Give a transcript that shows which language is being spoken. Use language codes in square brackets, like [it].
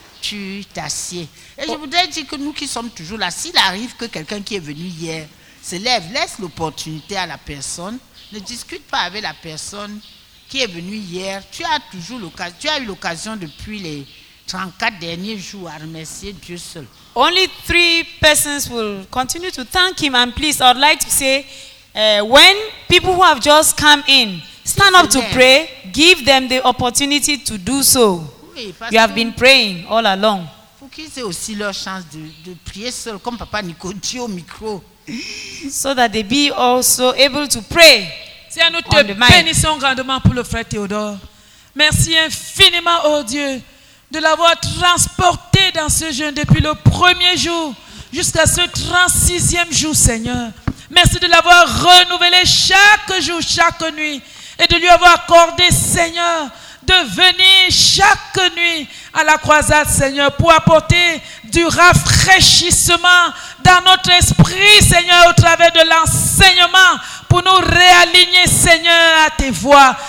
[fr] Tu t'assieds. Et je voudrais dire que nous qui sommes toujours là, s'il arrive que quelqu'un qui est venu hier se lève, laisse l'opportunité à la personne. Ne discute pas avec la personne qui est venue hier. Tu as toujours l'occasion, tu as eu l'occasion depuis les 34 derniers jours à remercier Dieu seul. [en] Only three persons will continue to thank him. And please, I'd like to say, When people who have just come in stand up to pray, give them the opportunity to do so. [fr] Oui, [en] you have been praying all along. [fr] Pour qu'ils aient aussi leur chance de prier seul, comme Papa Nico dit au micro. [en] So that they be also able to pray. [fr] Seigneur, nous te bénissons grandement pour le frère Théodore. Merci infiniment, oh Dieu, de l'avoir transporté dans ce jeûne depuis le premier jour jusqu'à ce 36e jour, Seigneur. Merci de l'avoir renouvelé chaque jour, chaque nuit, et de lui avoir accordé, Seigneur, de venir chaque nuit à la croisade, Seigneur, pour apporter du rafraîchissement dans notre esprit, Seigneur, au travers de l'enseignement, pour nous réaligner, Seigneur, à tes voies.